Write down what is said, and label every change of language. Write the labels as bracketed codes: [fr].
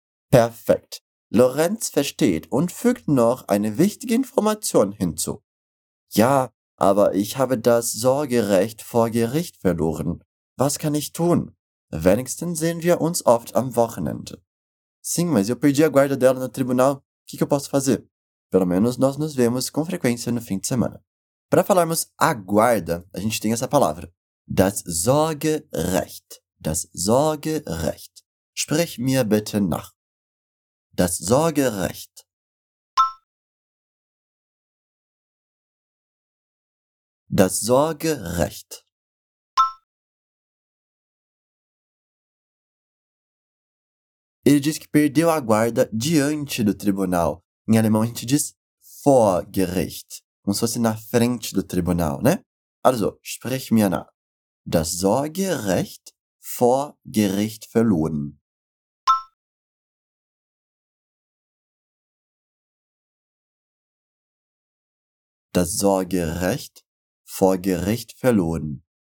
[de] Perfekt. Lorenz versteht und fügt noch eine wichtige Information hinzu. Ja, aber ich habe das Sorgerecht vor Gericht verloren. Was kann ich tun? Wenigstens sehen wir uns oft am Wochenende. [pt] Sim, mas eu perdi a guarda dela no tribunal. O que eu posso fazer? Pelo menos nós nos vemos com frequência no fim de semana. Para falarmos a guarda, a gente tem essa palavra. [de] Das Sorgerecht. Das Sorgerecht. Sprich mir bitte nach. Das Sorgerecht. Das Sorgerecht. [pt] Ele diz que perdeu a guarda diante do tribunal. Em alemão, a gente diz vor Gericht. Como se fosse na frente do tribunal, né? [de] Also, sprich mir nach. Das Sorgerecht vor Gericht verloren. Das Sorgerecht vor Gericht verloren.